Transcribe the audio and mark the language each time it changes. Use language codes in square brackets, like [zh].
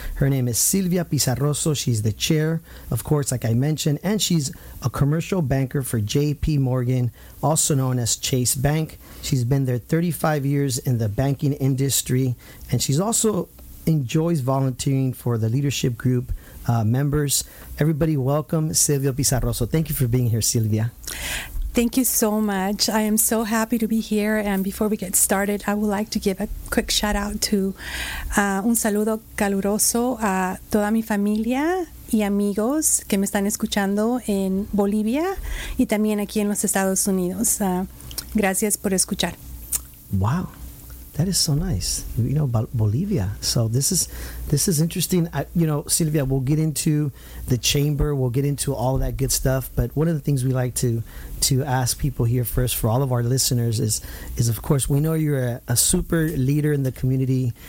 [en] Her name is Silvia Pizarroso. She's the chair, of course, like I mentioned, and she's a commercial banker for JP Morgan, also known as Chase Bank. She's been there 35 years in the banking industry, and she's also enjoys volunteering for the leadership group members. Everybody, welcome Silvia Pizarroso. Thank you for being here, Silvia. Thank you so much. I am so happy to be here. And before we get started, I would like to give a quick shout out to [es] un saludo caluroso a toda mi familia y amigos que me están escuchando en Bolivia y también aquí en los Estados Unidos. Gracias por escuchar. [en] Wow. That is so nice, you know, Bolivia. So this is interesting. Silvia, we'll get into the chamber. We'll get into all that good stuff. But one of the things we like to ask people here first for all of our listeners is of course, we know you're a super leader in the community.